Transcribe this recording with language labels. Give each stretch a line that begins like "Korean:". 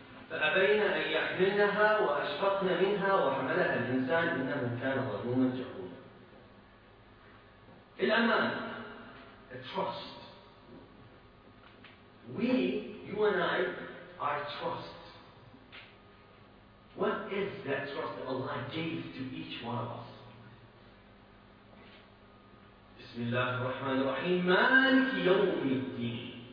Arabic: فأبين أن يحملنها وأشفقن منها وحملها الإنسان إنه كان ظلوما جهولا.
English: الأمانة, a trust. We, you and I, are trust. What is that trust that Allah gave to each one of us?
Arabic: بسم الله الرحمن الرحيم مالك يوم الدين.